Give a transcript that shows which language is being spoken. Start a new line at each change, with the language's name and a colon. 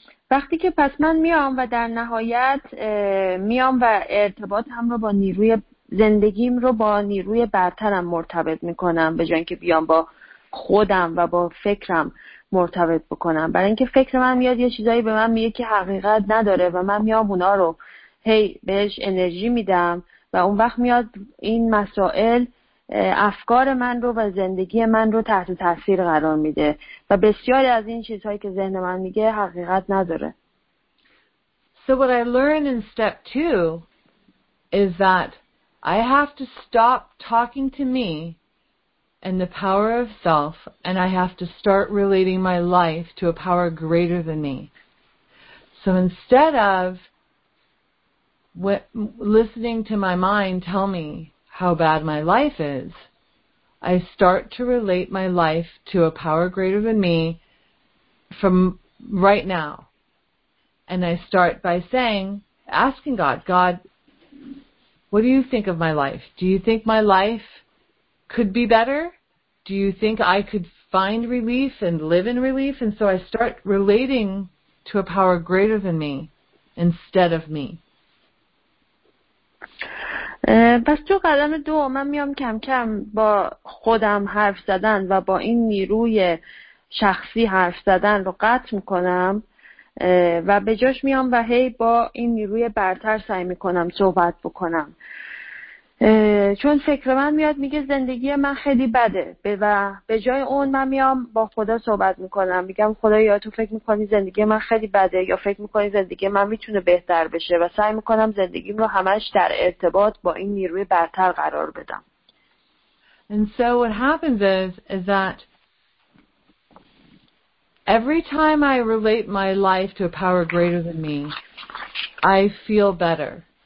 Persian: وقتی که پس من میام و در نهایت میام و ارتباطم رو با نیروی زندگیم رو با نیروی برترم مرتبط میکنم، به جای اینکه بیام با خودم و با فکرم مرتبط بکنم، برای اینکه فکر من میاد یه چیزایی به من میگه که حقیقت نداره و من میام اونا رو هی بهش انرژی میدم، و اون وقت میاد این مسائل افکار من رو و زندگی من رو تحت تاثیر قرار میده و بسیاری از این چیزهایی که ذهن من میگه حقیقت نداره.
English: So what I learned in step two is that I have to stop talking to me and the power of self, and I have to start relating my life to a power greater than me. So instead of listening to my mind tell me how bad my life is, I start to relate my life to a power greater than me from right now. And I start by saying, asking God, what do you think of my life? Do you think my life could be better? Do you think I could find relief and live in relief? And so I start relating to a power greater than me instead of me.
Persian: پس تو قدم دو من میام کم کم با خودم حرف زدن و با این نیروی شخصی حرف زدن رو قطع میکنم و به جاش میام و هی با این نیروی برتر سعی میکنم صحبت بکنم، چون فکر من میاد میگه زندگی من خیلی بده، و به جای اون من میام با خدا صحبت میکنم، میگم خدا، یا تو فکر میکنی زندگی من خیلی بده، یا فکر میکنی زندگی من میتونه بهتر بشه، و سعی میکنم زندگیم رو همش در ارتباط با این نیروی برتر قرار بدم.
English: And so what happens is that every time I relate my life to a power greater than me, I feel better.